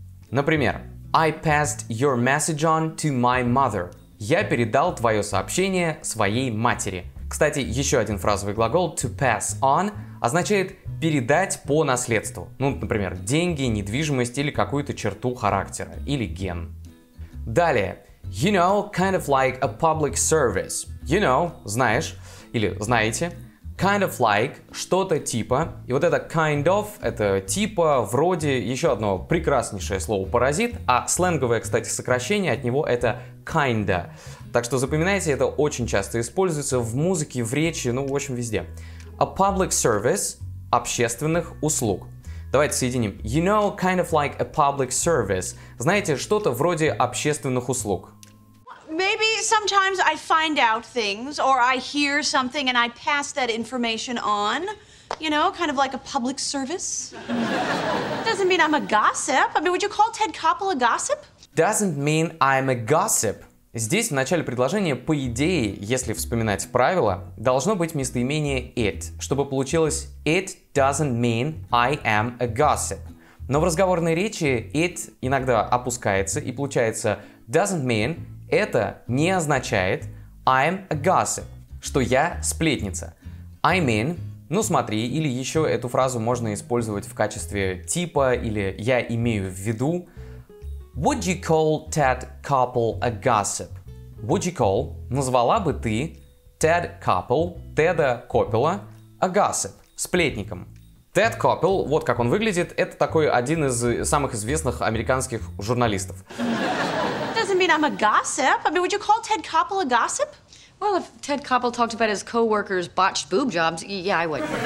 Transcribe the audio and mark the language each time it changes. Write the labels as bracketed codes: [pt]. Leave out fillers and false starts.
[ru] Например, [en] I passed your message on to my mother. [ru] Я передал твое сообщение своей матери. Кстати, еще один фразовый глагол [en] to pass on [ru] означает передать по наследству. Ну, например, деньги, недвижимость или какую-то черту характера или ген. Далее. [en] You know, kind of like a public service. You know, [ru] знаешь или знаете. [en] Kind of like [ru] что-то типа. И вот это [en] kind of, [ru] это типа, вроде, еще одно прекраснейшее слово паразит. А сленговое, кстати, сокращение от него это kinda. Так что запоминайте, это очень часто используется в музыке, в речи, ну, в общем, везде. [en] A public service [ru] – общественных услуг. Давайте соединим. [en] You know, kind of like a public service. [ru] Знаете, что-то вроде общественных услуг. [en] Maybe sometimes I find out things, or I hear something, and I pass that information on. You know, kind of like a public service. Doesn't mean I'm a gossip. I mean, would you call Ted Koppel a gossip? Doesn't mean I'm a gossip. [ru] Здесь в начале предложения, по идее, если вспоминать правила, должно быть местоимение it, чтобы получилось [en] it doesn't mean I am a gossip. [ru] Но в разговорной речи it иногда опускается и получается [en] doesn't mean [ru] – это не означает [en] I'm a gossip, [ru] что я сплетница. [en] I mean [ru] – ну смотри, или еще эту фразу можно использовать в качестве типа или я имею в виду. [en] Would you call Ted Koppel a gossip? Would you call, [ru] назвала бы ты, [en] Ted Koppel, [ru] Теда Коппела, [en] a gossip, сплетником. [ru] Тед Коппел, вот как он выглядит, это такой один из самых известных американских журналистов. [en] Doesn't mean I'm a gossip. I mean, would you call Ted Koppel a gossip? Well, if Ted Koppel talked about his co-workers' botched boob jobs, yeah, I would.